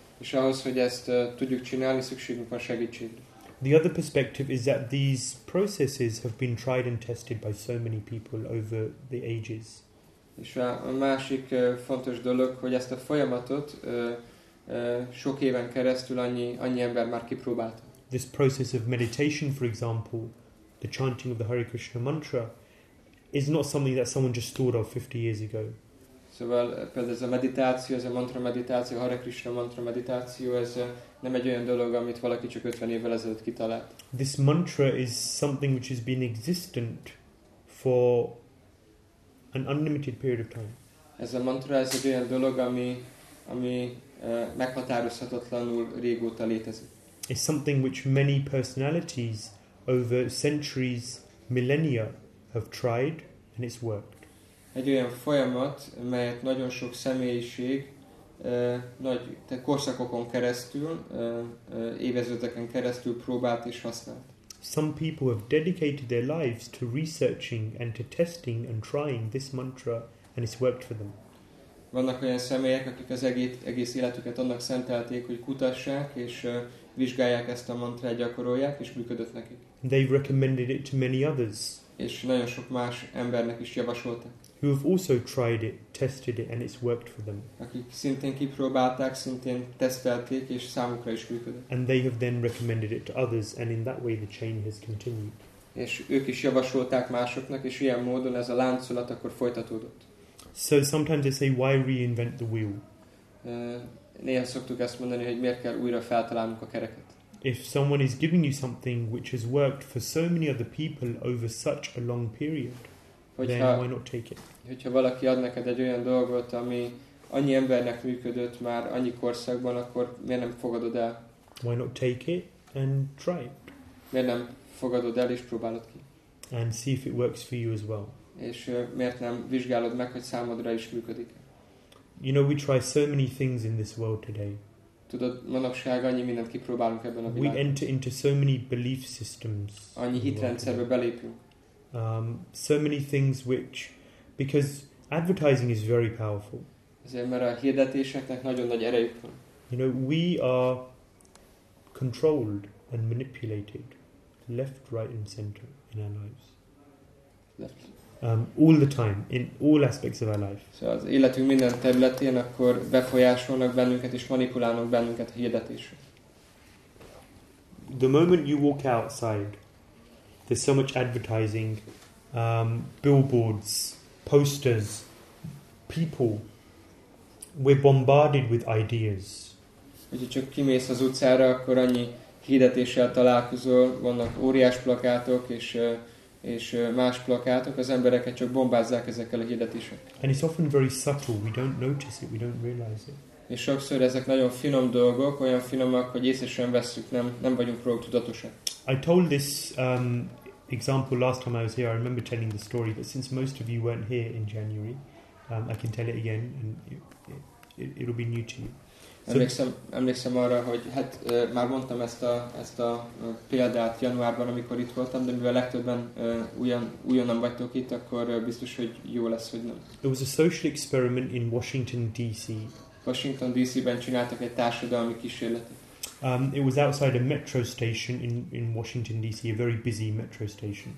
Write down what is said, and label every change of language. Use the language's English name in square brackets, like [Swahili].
[Hungarian] És ahhoz, hogy ezt tudjuk csinálni, szükségünk van segítségre. [English] The other perspective is that these processes have been tried and tested by so many people over the ages. [Hungarian] És a másik fontos dolog, hogy ezt a folyamatot sok éven keresztül annyi ember már kipróbálta. [English] This process of meditation, for example, the chanting of the Hare Krishna mantra, is not something that someone just thought of 50 years ago. [Hungarian] Szóval például ez a meditáció, ez a mantra meditáció, Hare Krishna mantra meditáció, ez nem egy olyan dolog, amit valaki csak 50 évvel ezelőtt kitalált. [English] This mantra is something which has been existent for an unlimited period of time. [Hungarian] Ez a mantra, ez egy olyan dolog, ami meghatározhatatlanul régóta létezik. [English] It's something which many personalities over centuries, millennia have tried, and it's worked. [Hungarian] Egy olyan folyamat, melyet nagyon sok személyiség nagy korszakokon keresztül, évezredeken keresztül próbált és használt. [English] Some people have dedicated their lives to researching and to testing and trying this mantra, and it's worked for them. [Hungarian] Vannak olyan személyek, akik az egész életüket annak szentelték, hogy kutassák és vizsgálják ezt a mantrát, gyakorolják, és működött nekik. [English] They've recommended it to many others. [Hungarian] És nagyon sok más embernek is javasolták. [English] Who have also tried it, tested it, and it's worked for them. [Hungarian] Akik szintén kipróbálták, szintén tesztelték, és számukra is működött. [English] And they have then recommended it to others, and in that way the chain has continued. [Hungarian] És ők is javasolták másoknak, és ilyen módon ez a láncolat akkor folytatódott. [English] So sometimes they say, why reinvent the wheel? [Hungarian] Néha szoktuk ezt mondani, hogy miért kell újra feltalálnunk a kereket. [English] If someone is giving you something which has worked for so many other people over such a long period, then why not take it? [Hungarian] Hogyha valaki ad neked egy olyan dolgot, ami annyi embernek működött már annyi korszakban, akkor miért nem fogadod el? [English] Why not take it and try it? [Hungarian] Miért nem fogadod el és próbálod ki? [English] And see if it works for you as well. [Hungarian] És miért nem vizsgálod meg, hogy számodra is működik? [English] You know, we try so many things in this world today. [Hungarian] Tudod, manapság annyi mindent kipróbálunk ebben a világban. [English] We enter into so many belief systems. [Hungarian] Annyi hitrendszerbe belépünk. [English] So many things which, because advertising is very powerful. [Hungarian] Ezért, mert a hirdetéseknek nagyon nagy erejük van. [English] You know, we are controlled and manipulated left, right and center in our lives. Left. All the time, in all aspects of our life. [Hungarian] So az életünk minden területén akkor befolyásolnak bennünket és manipulálnak bennünket a hirdetésre. [English] The moment you walk outside, there's so much advertising, billboards, posters, people. We're bombarded with ideas. [Hungarian] Hogyha csak kimész az utcára, akkor annyi hirdetéssel találkozol, vannak óriás plakátok és más plakátok, az embereket csak bombázzák ezekkel a hirdetésekkel. [English] And it's often very subtle, we don't notice it, we don't realize it. [Hungarian] És sokszor ezek nagyon finom dolgok, olyan finomak, hogy észre sem vesszük, nem vagyunk róla tudatosak. [English] I told this example last time I was here, I remember telling the story, but since most of you weren't here in January, I can tell it again, and it'll be new to you. [Hungarian] Emlékszem arra, hogy hát már mondtam ezt a példát januárban, amikor itt voltam, de mivel legtöbben újonnan vagytok itt, akkor biztos, hogy jó lesz, hogy nem. [English] It was a social experiment in Washington D.C. [Hungarian] Washington D.C.-ben csináltak egy társadalmi kísérletet. [English] It was outside a metro station in Washington D.C., a very busy metro station.